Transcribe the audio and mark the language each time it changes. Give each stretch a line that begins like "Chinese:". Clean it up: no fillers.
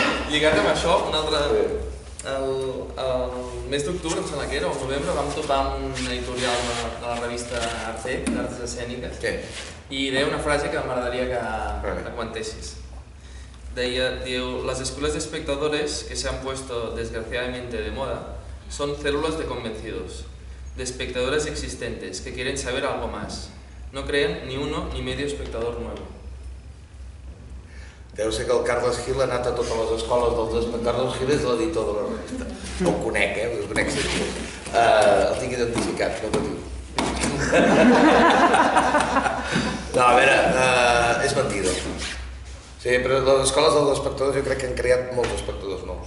Catalan: Lligat amb això, un altre... Sí. El mes d'octubre, em sembla que era, o novembre, vam topar amb un editorial de la revista Arte, d'Artes Escèniques. Què? I deia una frase que m'agradaria que comentessis. Diu, les escoles d'espectadores
Spanish: que se han puesto desgraciadamente de moda son células de convencidos, de espectadores existentes que quieren saber algo más. No creen ni uno ni medio espectador nuevo.
Catalan: Deu ser que el Carles Gil ha anat a totes les escoles dels espectadors. Carles Gil és l'editor de la revista. No el conec, el conec sempre. El tinc identificat, no patiu. No, a veure, és mentida. Sí, però les escoles dels espectadors jo crec que han creat molts espectadors nous.